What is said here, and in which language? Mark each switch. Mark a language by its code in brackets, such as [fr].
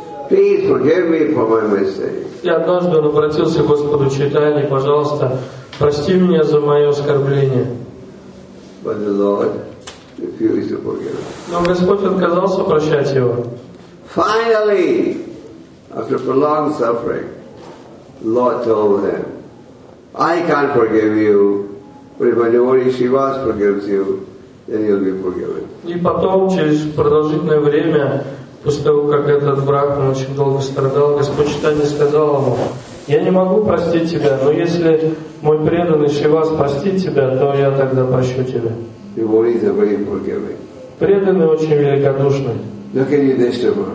[en] Please forgive me for my mistake. [ru] И однажды он обратился к Господу Чайтани, пожалуйста, прости меня за мое оскорбление. [en] But the Lord refused to forgive him. [ru] Но Господь отказался прощать его. [en] Finally, after prolonged suffering, Lord told him, I can't forgive you, but if my devotee Shivas forgives you, then you'll be forgiven. [ru] И потом, через продолжительное время, после того, как этот брак, он очень долго страдал, Господь Читание сказал ему, я не могу простить тебя, но если мой преданный Шивас простит тебя, то я тогда прощу тебя. Преданный очень великодушный.